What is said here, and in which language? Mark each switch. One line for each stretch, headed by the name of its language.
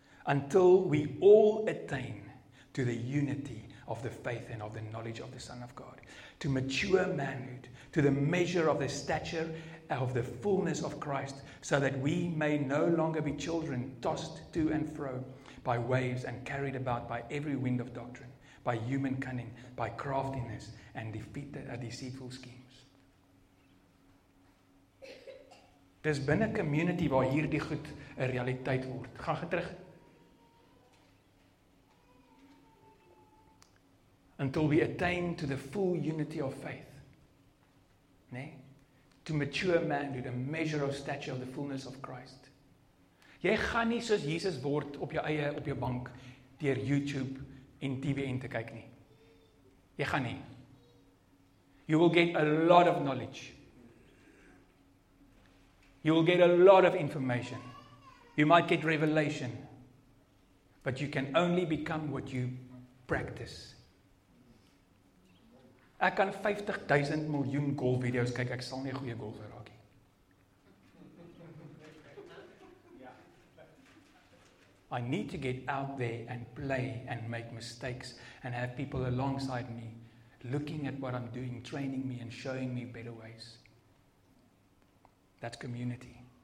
English: until we all attain to the unity of the faith and of the knowledge of the Son of God, to mature manhood, to the measure of the stature of the fullness of Christ, so that we may no longer be children tossed to and fro by waves and carried about by every wind of doctrine, by human cunning, by craftiness, and defeat the deceitful schemes.
Afrikaans: Dis binne 'n community waar hierdie goed 'n realiteit word. Gaan terug.
English: Until we attain to the full unity of faith. Nee? To mature manhood, a measure of stature of the fullness of Christ.
Afrikaans: Jy gaan nie soos Jesus word op jou eie, op jou bank, deur YouTube en TVN te kyk nie. Jy gaan nie.
English: You will get a lot of knowledge. You will get a lot of information. You might get revelation. But you can only become what you practice.
Afrikaans: Ek kan 50,000 miljoen golf video's kyk, ek sal nie 'n goeie golfer raak nie.
English: I need to get out there and play and make mistakes and have people alongside me looking at what I'm doing, training me and showing me better ways. That's community.